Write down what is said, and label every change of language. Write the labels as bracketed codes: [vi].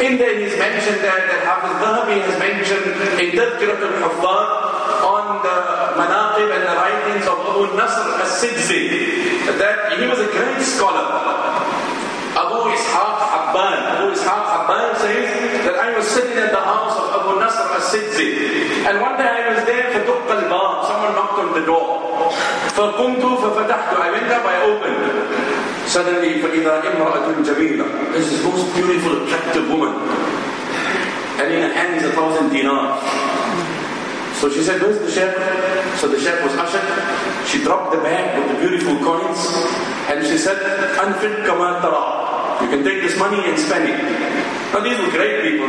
[en] In there he's mentioned that Hafiz Dhahabi has mentioned in Tadhkirat al-Hafdad on the manaqib and the writings of Abu Nasr al-Sidzi, that he was a great scholar. Abu Ishaq Abban says that I was sitting at the house of Abu Nasr al-Sidzi, and one day I was there for Tuq al-Bab, someone knocked on the door. [ar] فَقُمْتُ فَفَتَحْتُ. [en] I went up, I opened. Suddenly, [ar] فَإِذَا إِمْرَأَةٌ جَمِيلًا. [en] This is the most beautiful, attractive woman. And in her hand is 1,000 dinars. So she said, where's the chef? So the chef was ushered. She dropped the bag with the beautiful coins. And she said, [ar] أَنْفِدْ كَمَا تَرَى. [en] You can take this money and spend it. Now these were great people.